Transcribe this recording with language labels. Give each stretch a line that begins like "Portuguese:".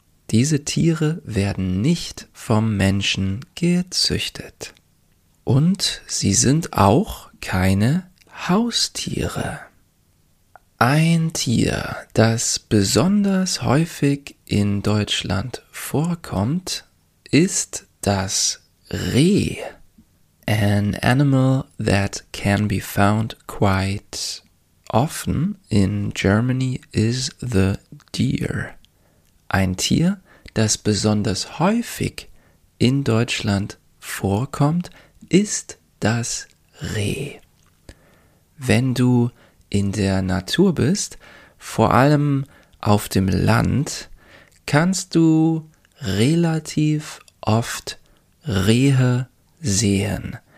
German: Diese Tiere werden nicht vom Menschen gezüchtet. Und sie sind auch keine Haustiere. Ein Tier, das besonders häufig in Deutschland vorkommt, ist das Reh.
English: An animal that can be found quite often in Germany is the deer.
German: Ein Tier, das besonders häufig in Deutschland vorkommt, ist das Reh. Wenn du in der Natur bist, vor allem auf dem Land, kannst du relativ oft Rehe sehen.